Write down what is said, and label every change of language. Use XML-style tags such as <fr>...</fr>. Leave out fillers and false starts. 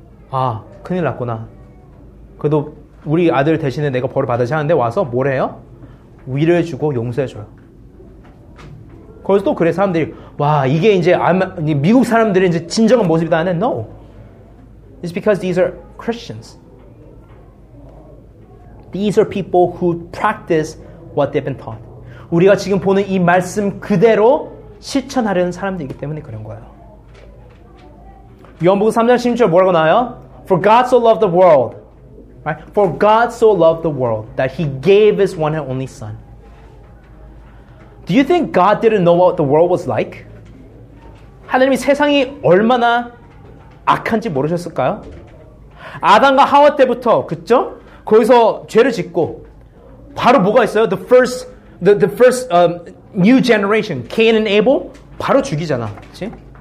<ko>아, 큰일 났구나. 그래도 우리 아들 대신에 내가 벌을 받아야지 하는데 와서 뭘 해요? 위로해주고 용서해줘요. 거기서 또 그래, 사람들이. 와, 이게 이제 미국 사람들의 이제 진정한 모습이다 하는데, no.</ko> <en>It's because these are Christians. These are people who practice what they've been taught.</en> <ko>우리가 지금 보는 이 말씀 그대로 실천하려는 사람들이기 때문에 그런 거예요. 요한복음 3장 16절 뭐라고 나와요?</ko> <en>For God so loved the world. Right? For God so loved the world that He gave His one and only Son. Do you think God didn't know what the world was like?</en> <ko>하나님이 세상이 얼마나 악한지 모르셨을까요? 아담과 하와 때부터, 그쵸? 거기서 죄를 짓고, 바로 뭐가 있어요?</ko> <en>The first new generation, Cain and Abel,</en> <ko>바로 죽이잖아. 그치?</ko>